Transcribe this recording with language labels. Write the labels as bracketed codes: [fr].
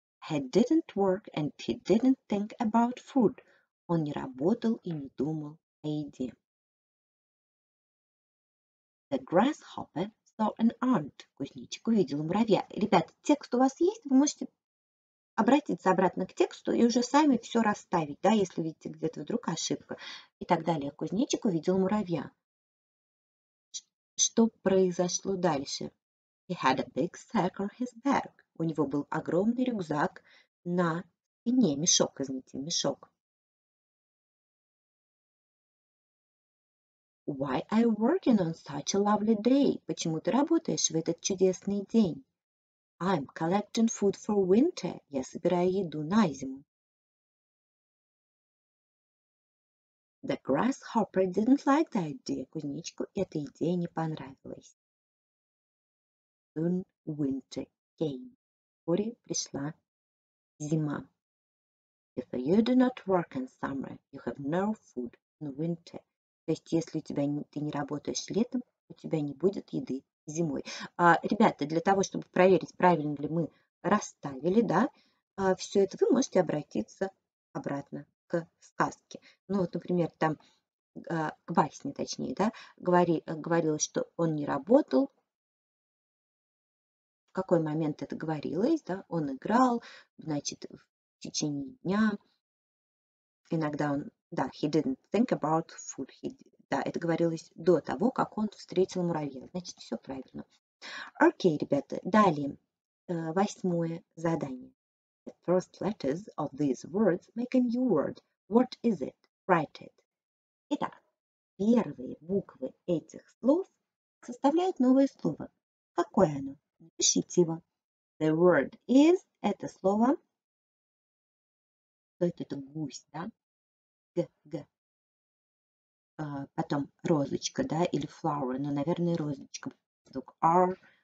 [en] He didn't work and he didn't think about food. [ru] Он не работал и не думал о еде. [en] The grasshopper saw an ant. [ru] Кузнечик увидел муравья. Ребята, текст у вас есть? Вы можете обратиться обратно к тексту и уже сами все расставить, да, если видите где-то вдруг ошибка. И так далее. Кузнечик увидел муравья. Что произошло дальше? [en] He had a big sack on his back. [ru] У него был огромный рюкзак на спине, мешок, извините, мешок. [en] Why are you working on such a lovely day? [ru] Почему ты работаешь в этот чудесный день? [en] I'm collecting food for winter. [ru] Я собираю еду на зиму. [en] The grasshopper didn't like the idea. [ru] Кузнечику эта идея не понравилась. [en] Soon winter came. [ru] Вскоре пришла зима. [en] If you do not work in summer, you have no food in winter. [ru] То есть, если ты не работаешь летом, у тебя не будет еды зимой. Ребята, для того, чтобы проверить, правильно ли мы расставили, да, все это, вы можете обратиться обратно к сказке. Ну, вот, например, там, к басне, точнее, да, говорилось, что он не работал. В какой момент это говорилось, да, он играл, значит, в течение дня, иногда он, да, [en] he didn't think about food, [ru] да, это говорилось до того, как он встретил муравья, значит, все правильно. Окей, ребята, далее, восьмое задание. [en] The first letters of these words make a new word. What is it? Write it. [ru] Итак, первые буквы этих слов составляют новое слово. Какое оно? Напишите его. [en] The word is, [ru] это слово, то есть это гусь, да, г, потом розочка, да, или flower, но, наверное, розочка, звук r,